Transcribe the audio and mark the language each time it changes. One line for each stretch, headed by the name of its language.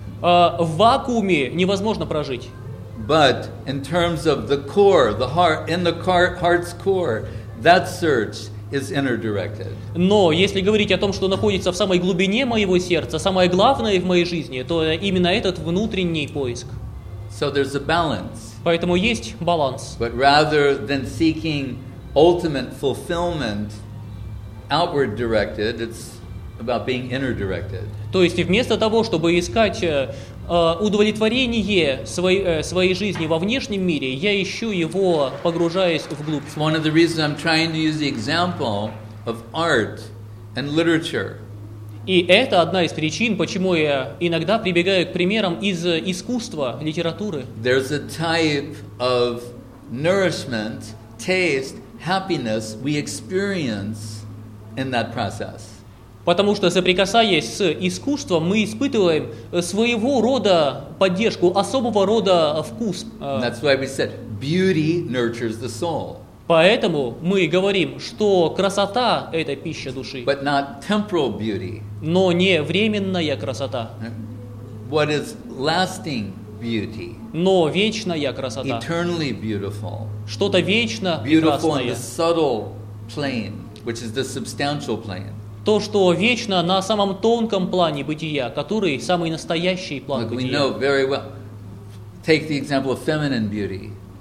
Russian: В вакууме невозможно прожить.
English: But in terms of the core, the heart, in the heart's core, that search is inner-directed.
Russian: Но если говорить о том, что находится в самой глубине моего сердца, самое главное в моей жизни, то именно этот внутренний поиск.
English: So there's a balance.
Russian: Поэтому есть баланс.
English: But rather than seeking ultimate fulfillment outward-directed, it's about being inner-directed.
Russian: То есть вместо того, чтобы искать удовлетворение своей жизни во внешнем мире, я ищу его, погружаясь вглубь.
English: One of the reasons I'm trying to use the example of art and literature.
Russian: И это одна из причин, почему я иногда прибегаю к примерам из искусства, литературы.
English: There's a type of nourishment, taste, happiness we experience in that process.
Russian: Потому что, соприкасаясь с искусством, мы испытываем своего рода поддержку, особого рода вкус.
English: That's why we said beauty nurtures the soul.
Russian: Поэтому мы говорим, что красота — это пища души.
English: But not temporal beauty.
Russian: Но не временная красота.
English: What is lasting beauty?
Russian: Но вечная красота.
English: Eternally beautiful.
Russian: Что-то вечно
English: beautiful
Russian: красное.
English: Beautiful in the subtle plane, which is the substantial plane.
Russian: То, что вечно на самом тонком плане бытия, который самый настоящий план
English: Look,
Russian: бытия.
English: We know very well. Take the example of feminine beauty.